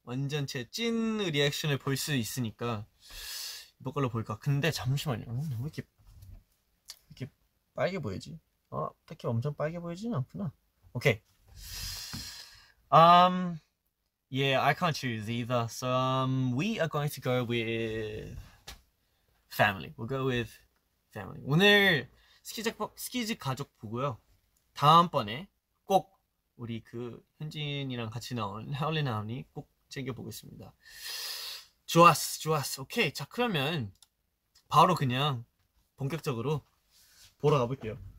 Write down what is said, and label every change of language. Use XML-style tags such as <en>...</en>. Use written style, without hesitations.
<ko>완전 제 찐 리액션을 볼 수 있으니까 이거 걸로 볼까. 근데 잠시만요. 왜 이렇게 빨개 보이지? 딱히 엄청 빨개 보이지는 않구나. 오케이.</ko> <en>Yeah, I can't choose either. So we are going to go with family. We'll go with family.</en> <ko>오늘 스키즈 가족 보고요. 다음번에 꼭 우리 그 현진이랑 같이 나온 하울린 하우니 꼭 챙겨보겠습니다. 좋았어. 오케이. 자, 그러면 바로 그냥 본격적으로 보러 가볼게요.</ko>